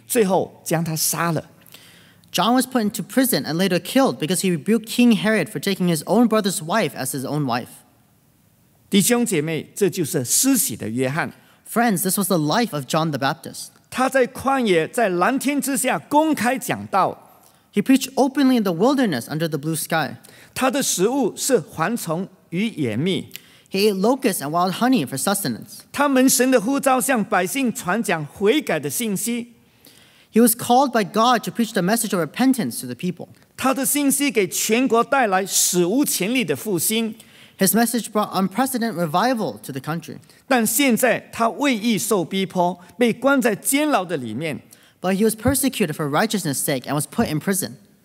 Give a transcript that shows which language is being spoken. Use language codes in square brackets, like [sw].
[zh] 当时希律娶了他哥哥的妻子做老婆,约翰为这件事大胆责备他,希律就将约翰下在监狱里,最后将他杀了。John [en] was put into prison and later killed because he rebuked King Herod for taking his own brother's wife as his own wife. [zh] 弟兄姐妹,这就是施洗的约翰。 [en] Friends, this was the life of John the Baptist. [zh] 他在旷野在蓝天之下公开讲道。 [en] He preached openly in the wilderness under the blue sky. [zh] 他的食物是蝗虫与野蜜。 [en] He ate locusts and wild honey for sustenance. [zh] 他蒙神的呼召向百姓传讲悔改的信息。 [en] He was called by God to preach the message of repentance to the people. [zh] 他的信息给全国带来史无前例的复兴。 [en] His message brought unprecedented revival to the country. [zh] 但现在他为义受逼迫,被关在监牢的里面。 [en] But he was persecuted for righteousness' sake and was put in prison.